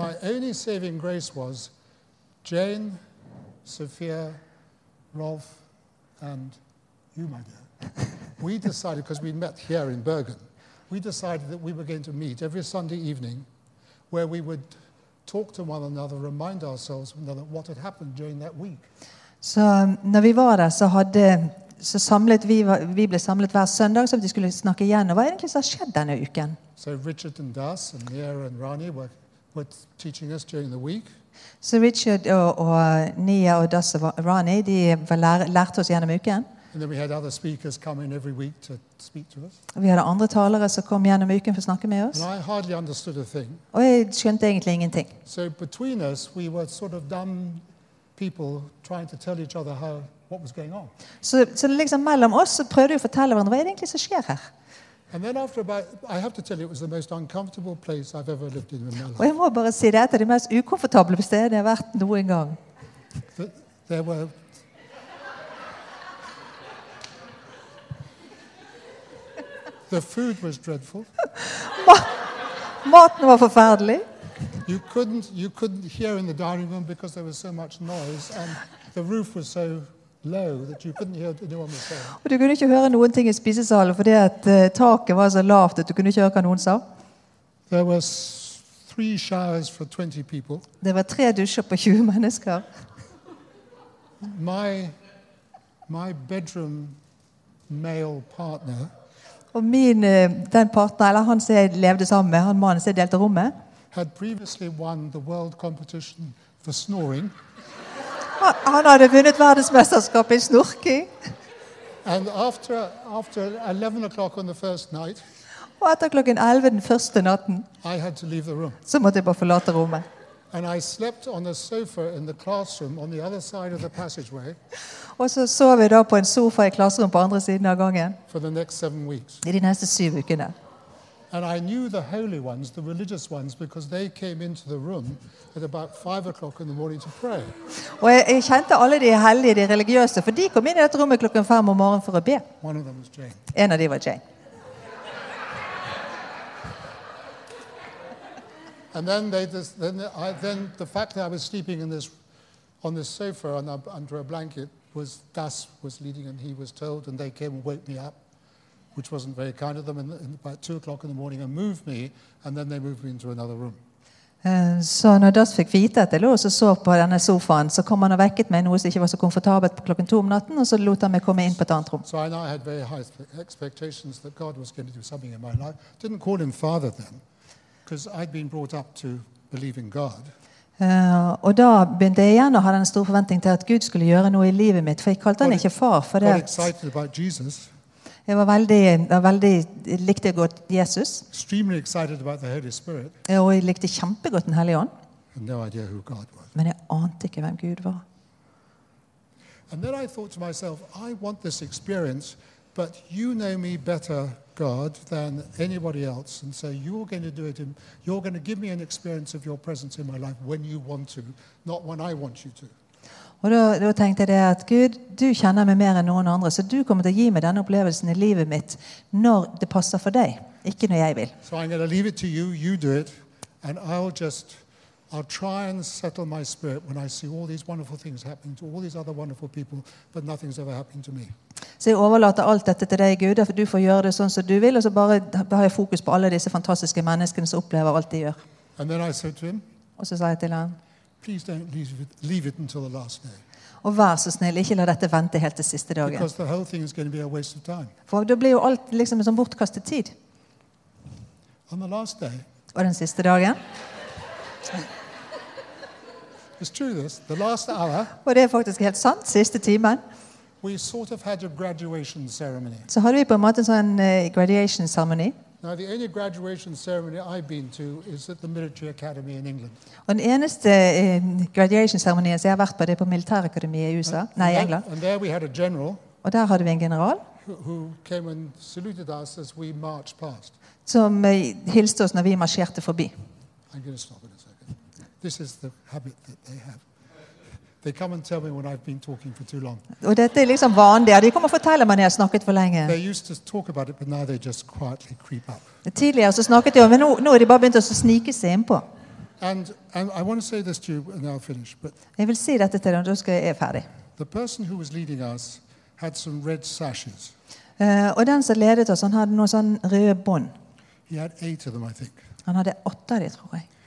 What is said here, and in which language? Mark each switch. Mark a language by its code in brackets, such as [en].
[en] My only saving grace was Jane, Sophia, Rolf, and you, my dear. We decided, because we met here in Bergen, we decided that we were going to meet every Sunday evening where we would talk to one another, remind ourselves of what had happened during that week. [no] Så når vi var der, så samlet vi ble samlet hver søndag, så vi skulle snakke igjen. Og hva egentlig som skjedde denne uken? [en] So Richard and Das and Nia and Rani were teaching us during the week. [no] Så Richard og Nia og Das og Rani, de lærte oss gjennom uken. [en] And then we had other speakers come in every week to speak to us. [no] Vi hadde andre talere som kom gjennom uken for å snakke med oss. [en] And I hardly understood a thing. [no] Og jeg skjønte egentlig ingenting. [en] So between us, we were sort of dumb people trying to tell each other what was going on. [no] Så liksom mellom oss så prøvde vi å fortelle hverandre hva egentlig som skjer her. [en] And then after about, I have to tell you, it was the most uncomfortable place I've ever lived in my life. [no] Og jeg må bare si det, det mest ukomfortable stedet jeg har vært noen gang. [en] The food was dreadful. [no] Maten var forferdelig. [en] You couldn't hear in the dining room because there was so much noise and the roof was so low that you couldn't hear anyone was saying. [no] Og du kunne ikke høre noen ting I spisesalen fordi at taket var så lavt at du kunne ikke høre hva noen sa. [en] There was 3 showers for 20 people. [no] Det var 3 dusjer på 20 mennesker. [en] My bedroom male partner. [no] Og min den partner eller han som jeg levde sammen med, han mannen som delte rommet. [en] Had previously won the world competition for snoring. [no] Han hadde vunnet verdensmesterskapet I snorking. [en] And after 11 o'clock on the first night. [no] Og etter klokken 11 den første natten. [en] I had to leave the room. [no] Så måtte jeg bare forlate rommet. [en] And I slept on a sofa in the classroom on the other side of the passageway. [no] Og så sov vi da på en sofa I klasserommet på andre siden av gangen. [en] For the next 7 weeks. [no] I de neste 7 ukene. [en] And I knew the holy ones, the religious ones, because they came into the room at about 5 o'clock in the morning to pray. [no] Og jeg kjente alle de hellige, de religiøse, for de kom inn I dette rommet klokken 5 om morgenen for å be. [en] One of them was Jane. [no] En av de var Jane. [en] And then the fact that I was sleeping in this on this sofa under a blanket was Das was leading and he was told and they came and woke me up. Which wasn't very kind of them, and about 2 o'clock in the morning, and moved me, and then they moved me into another room. [no] Så når Das fikk vite at jeg lå og sov på denne sofaen, så kom han og vekket meg noe som ikke var så komfortabelt på klokken 2 om natten, og så lot han meg komme inn på et annet rom. [en] So I now had very high expectations that God was going to do something in my life. Didn't call him father then, because I'd been brought up to believe in God. [no] Og da begynte jeg igjen å ha den store forventningen til at Gud skulle gjøre noe I livet mitt, for jeg kalte han ikke far, for det. [en] Got excited about Jesus. [no] Jeg var veldig likte godt Jesus. [en] Extremely excited about the Holy Spirit. [no] Og jeg likte kjempegodt den Hellige Ånd. [en] No idea who God was. [no] Men jeg ante ikke hvem Gud var. [en] And then I thought to myself, I want this experience, but you know me better, God, than anybody else, and so you're going to do it. You're going to give me an experience of your presence in my life when you want to, not when I want you to. [no] Og da tenkte jeg at Gud, du kjenner meg mer enn noen andre, så du kommer til å gi meg denne opplevelsen I livet mitt når det passer for deg, ikke når jeg vil. [en] So I'm going to leave it to you, you do it, and I'll try and settle my spirit when I see all these wonderful things happening to all these other wonderful people, but nothing's ever happened to me. [no] Så jeg overlater alt dette til deg, Gud, for du får gjøre det sånn som du vil, og så bare har jeg fokus på alle disse fantastiske menneskene som opplever alt de gjør. [en] And then I said to him, [no] og så sa jeg til han, [en] please don't leave it until the last day. [no] Og vær så snill, ikke la dette vente helt til siste dagen. [en] Because the whole thing is going to be a waste of time. [no] For da blir jo alt liksom en sånn bortkastet tid. [en] On the last day. [no] Og den siste dagen. [en] It's true this, the last hour. [no] Og det faktisk helt sant, siste timen. [en] We sort of had a graduation ceremony. [no] Så hadde vi på en måte sånn [en] graduation ceremony. Now the only graduation ceremony I've been to is at the military academy in England. [no] Og den eneste [en] graduation ceremony [no] jeg har vært på, det på militærakademiet I USA. Nei, England. [en] And there we had a general. [no] Og der hadde vi en general. [en] Who came and saluted us as we marched past. [no] Som hilste oss når vi marsjerte forbi. [en] I'm going to stop in a second. This is the habit that they have. They come and tell me when I've been talking for too long. [no] Og dette liksom vanlig. De kommer og forteller meg når jeg har snakket for lenge. [en] They used to talk about it, but now they just quietly creep up. [no] Tidligere så snakket de om, men nå de bare begynt å snike seg inn på. [en] And I want to say this to you, and I'll finish. But [no] jeg vil si dette til dem, da skal jeg ferdig. [en] The person who was leading us had some red sashes. [no] Og den som ledet oss, han hadde noen sånn røde bånd. [en] He had 8 of them, I think. [no] Han hadde 8 av dem, tror jeg.